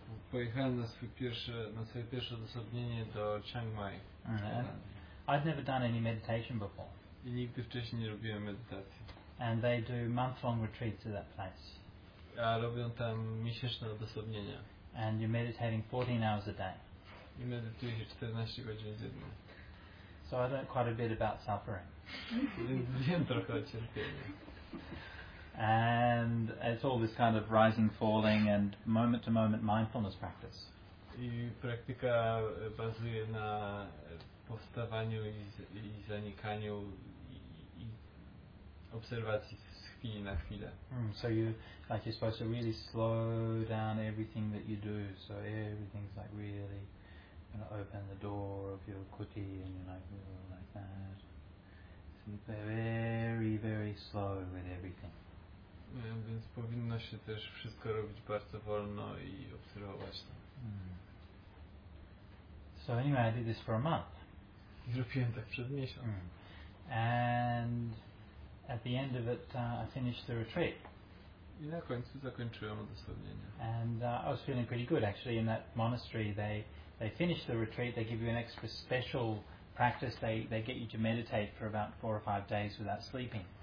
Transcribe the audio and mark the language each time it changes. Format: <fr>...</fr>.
<pl>Pojechałem na swoje pierwsze odosobnienie do Chiang Mai.</pl> <en>I'd never done any meditation before.</en> <pl>I nigdy wcześniej nie robiłem medytacji.</pl> <en>And they do month-long retreats at that place.</en> <pl>A robią tam miesięczne odosobnienia.</pl> <en>And you're meditating 14 hours a day.</en> <pl>I medytuję 14 godzin dziennie.</pl> <en>So I learned quite a bit about suffering.</en> <pl>Wiem trochę o cierpieniu.</pl> <en>And it's all this kind of rising, falling, and moment-to-moment mindfulness practice.</en> <pl>I praktyka bazuje na powstawaniu i zanikaniu i obserwacji z chwili na chwilę.</pl> <en>So you're supposed to really slow down everything that you do. So everything's like really, you know, open the door of your kuti and you're like, you know, like that. So you're very, very slow with everything.</en> <pl>Więc powinno się też wszystko robić bardzo wolno i obserwować to.</pl> <en>So anyway, I did this for a month.</en> <pl>Zrobiłem tak przez miesiąc.</pl> <en>And at the end of it, I finished the retreat.</en> <pl>I na końcu zakończyłem odosobnienie.</pl> <en>And I was feeling pretty good actually. In that monastery, they finish the retreat, they give you an extra special practice, they get you to meditate for about 4 or 5 days without sleeping.</en>